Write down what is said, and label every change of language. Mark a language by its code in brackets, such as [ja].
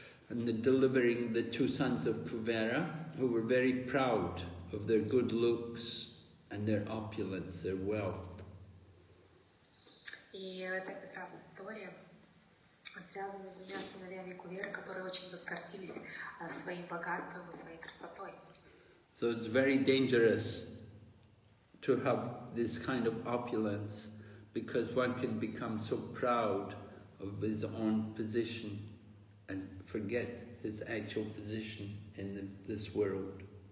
[en] And the delivering the two sons of Kuvera, who were very proud of their good looks and their opulence, their wealth. [ru] И это как раз история, связанная с двумя сыновьями Куверы, которые очень возгордились своим богатством и своей красотой. [en] So it's very dangerous to have this kind of opulence, because one can become so proud of his own position and forget his actual position in this world.